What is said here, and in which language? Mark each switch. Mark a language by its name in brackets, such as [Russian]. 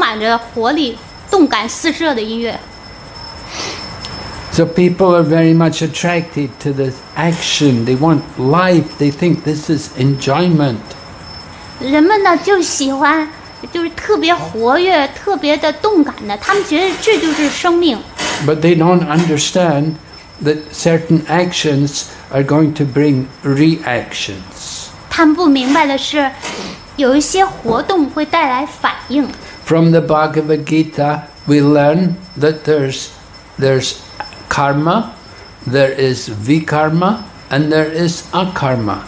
[Chinese] 还有特别激情的音乐，让人感到就是让人是充满着活力、动感四射的音乐。 [English] So people are very much attracted to this action. They want life. They think this is enjoyment. [Chinese] 人们呢就喜欢，就是特别活跃、特别的动感的。他们觉得这就是生命。 [English] But they don't understand that certain actions are going to bring reactions. [Chinese] 他们不明白的是，有一些活动会带来反应。 [English] From the Bhagavad Gita, we learn that there's karma, there is vikarma, and there is akarma.